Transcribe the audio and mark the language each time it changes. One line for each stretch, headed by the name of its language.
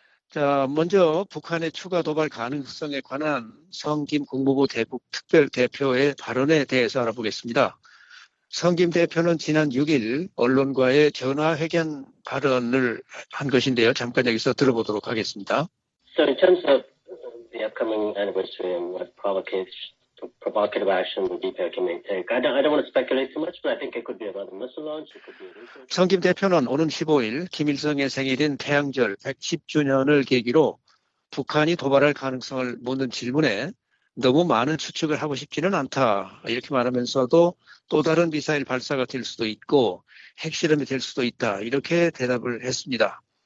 Korean: 자, 먼저 북한의 추가 도발 가능성에 관한 성 김 국무부 대북 특별 대표의 발언에 대해서 알아보겠습니다. 성 김 대표는 지난 6일 언론과의 전화회견 발언을 한 것인데요. 잠깐 여기서 들어보도록 하겠습니다.
English: So in terms of the upcoming anniversary and what provocative action the DPRK may take, I don't want to speculate too much, but I think it could be about a missile launch. It could be a research.
Korean: 성 김 대표는 오는 15일 김일성의 생일인 태양절 110주년을 계기로 북한이 도발할 가능성을 묻는 질문에 너무 많은 추측을 하고 싶지는 않다 이렇게 말하면서도 또 다른 미사일 발사가 될 수도 있고 핵실험이 될 수도 있다 이렇게 대답을 했습니다.